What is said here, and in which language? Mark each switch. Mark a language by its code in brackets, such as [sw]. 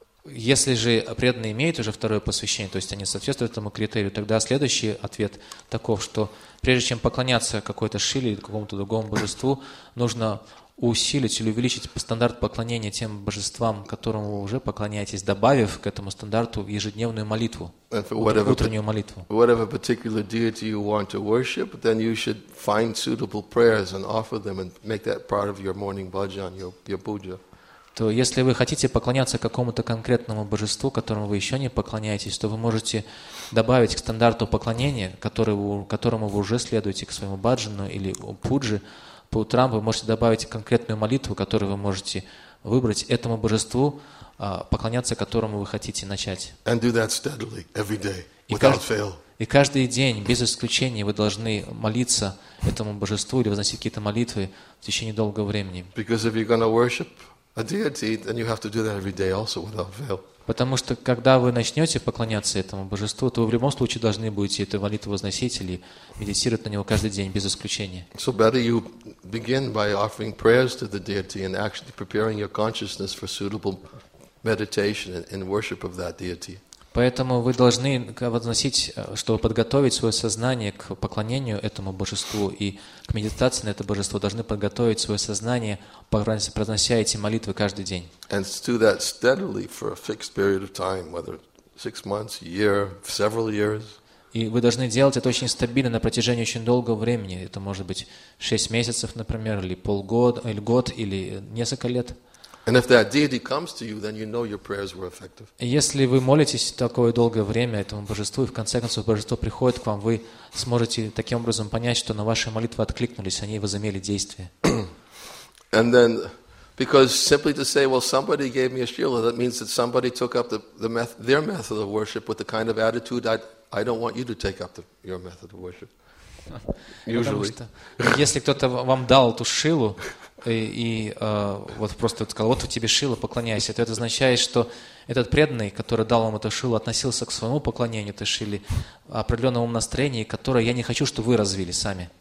[ru] Если же преданные имеют уже второе посвящение, то есть они соответствуют этому критерию, тогда следующий ответ таков, что прежде чем поклоняться какой-то шиле или какому-то другому божеству, нужно усилить или увеличить стандарт поклонения тем божествам, которым вы уже поклоняетесь, добавив к этому стандарту ежедневную молитву, утреннюю молитву. [en] Whatever particular deity you want to worship, then you should find suitable prayers and offer them and make that part of your morning bhajan, your puja. [ru] То если вы хотите поклоняться какому-то конкретному божеству, которому вы еще не поклоняетесь, то вы можете добавить к стандарту поклонения, которому вы уже следуете, к своему баджану или пуджи, по утрам вы можете добавить конкретную молитву, которую вы можете выбрать этому божеству, поклоняться которому вы хотите начать. [en] And do that steadily, every day, without fail. [ru] И каждый день, без исключения, вы должны молиться этому божеству или возносить какие-то молитвы в течение долгого времени. [en] Because if you're going to worship a deity, then you have to do that every day also without fail. [ru] Потому что когда вы начнете поклоняться этому божеству, то вы в любом случае должны будете эту молитву возносить или медитировать на него каждый день, без исключения. [en] So better you begin by offering prayers to the deity and actually preparing your consciousness for suitable meditation and worship of that deity. [ru] Поэтому вы должны возносить, чтобы подготовить свое сознание к поклонению этому божеству и к медитации на это божество, должны подготовить свое сознание, произнося эти молитвы каждый день. [en] And do that steadily for a fixed period of time, whether 6 months, year, several years. [ru] И вы должны делать это очень стабильно на протяжении очень долгого времени. Это может быть 6 месяцев, например, или полгода, или год, или несколько лет. [en] And if that deity comes to you, then you know your prayers were effective. [ru] Если вы молитесь такое долгое время этому божеству, и в конце концов божество приходит к вам, вы сможете таким образом понять, что на ваши молитвы откликнулись, они возымели действие. [en] And then, because simply to say, well, somebody gave me a shila, that means that somebody took up their method of worship with the kind of attitude that I don't want you to take up your method of worship. Usually. [ru] Потому что если кто-то вам дал эту шилу, вот просто сказал, вот тебе шила, поклоняйся, то это означает, что этот преданный, который дал вам эту шилу, относился к своему поклонению этой шиле определенному настроению, которое я не хочу, чтобы вы развили сами.